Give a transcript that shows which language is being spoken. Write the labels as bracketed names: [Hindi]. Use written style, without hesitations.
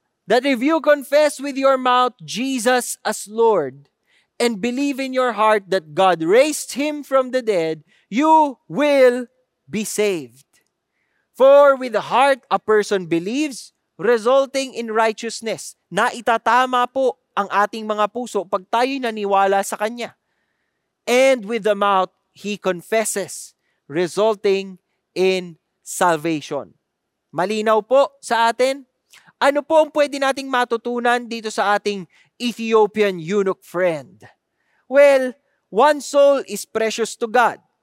[English] That if you confess with your mouth Jesus as Lord and believe in your heart that God raised Him from the dead, you will be saved. For with the heart a person believes, resulting in righteousness. [Filipino] Na itatama po ang ating mga puso pag tayo'y naniwala sa Kanya. [English] And with the mouth, he confesses, resulting in salvation. [Filipino] Malinaw po sa atin? Ano po ang pwede nating matutunan dito sa ating Ethiopian eunuch friend? [English] Well, one soul is precious to God.